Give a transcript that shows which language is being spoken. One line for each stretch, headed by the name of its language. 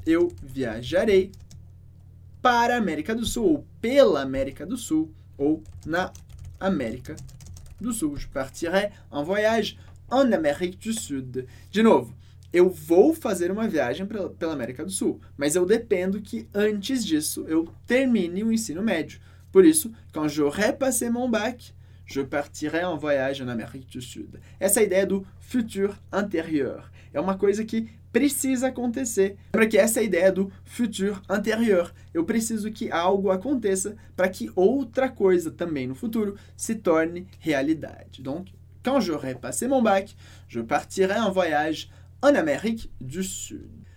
Portuguese: Eu viajarei para a América do Sul, ou pela América do Sul, ou na América do Sul.
French: Je partirai en voyage en Amérique du Sud.
Portuguese: De novo, eu vou fazer uma viagem pela América do Sul, mas eu dependo que antes disso eu termine o ensino médio. Por isso,
French: quand j'aurai passé mon bac, je partirai en voyage en Amérique du Sud.
Portuguese: Essa ideia do futur antérieur é uma coisa que precisa acontecer. Lembra que essa é a ideia do futur antérieur. Eu preciso que algo aconteça para que outra coisa também no futuro se torne realidade.
French: Donc, quand j'aurai passé mon bac, je partirai en voyage en Amérique du Sud.